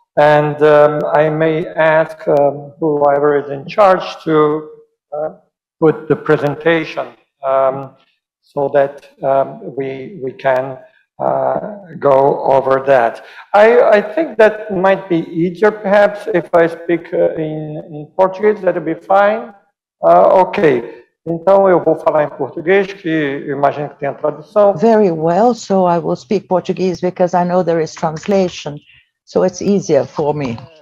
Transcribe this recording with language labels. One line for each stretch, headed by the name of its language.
English: And I may ask whoever is in charge to put the presentation so that we can go over that. I think that might be easier perhaps if I speak in Portuguese, that would be fine.
Portuguese: Ok, então eu vou falar em português, que imagino que tenha tradução.
English: Very well, so I will speak Portuguese because I know there is translation, so it's easier for me.